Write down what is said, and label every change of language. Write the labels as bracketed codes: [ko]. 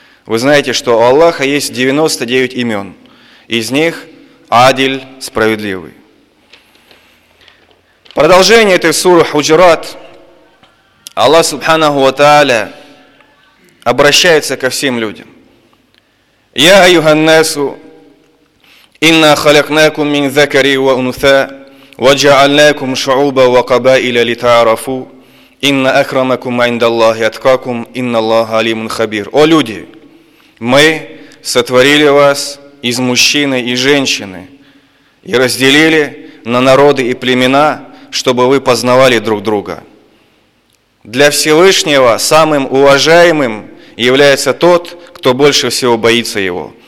[ru] Вы знаете, что у Аллаха есть 99 имен, из них Адиль – справедливый. Продолжение этой суры Худжарат. Аллах Субханаху ва Тааля обращается ко всем людям. Я, айюха ан-насу, [ar] إنا خلقناكم من ذكر وأنثى وجعلناكم شعوبا وقبائل لتعارفوا إن أكرمكم عند الله أتقاكم إن الله عليم خبير. [ru] О люди, мы сотворили вас из мужчины и женщины и разделили на народы и племена, чтобы вы познавали друг друга. Для Всевышнего самым уважаемым является тот, кто больше всего боится его.